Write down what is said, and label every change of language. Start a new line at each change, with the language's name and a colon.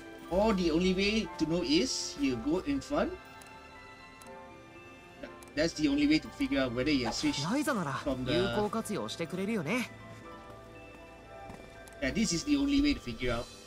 English: Or the only way to know is you go in front. That's the only way to figure out whether you switch from the.
Japanese: ライザなら有効活用してくれるよね。
English: Yeah, this is the only way to figure out.